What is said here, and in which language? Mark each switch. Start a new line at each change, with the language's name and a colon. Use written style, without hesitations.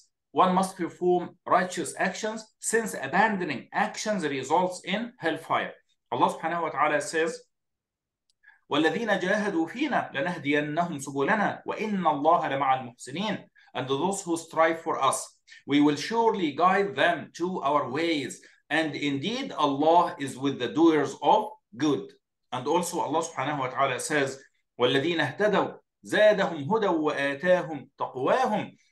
English: One must perform righteous actions, since abandoning actions results in hellfire.
Arabic: Allah subhanahu wa ta'ala says, وَالَّذِينَ جَاهَدُوا فِينَا لَنَهْدِيَنَّهُمْ سُبُلَنَا وَإِنَّ اللَّهَ لَمَعَ الْمُحْسِنِينَ.
English: And those who strive for us, we will surely guide them to our ways. And indeed, Allah is with the doers of good.
Arabic: And also Allah subhanahu wa ta'ala says, وَالَّذِينَ اهْتَدَوْا زَادَهُمْ هُدًى وَآتَاهُمْ تَقْوَاهُمْ.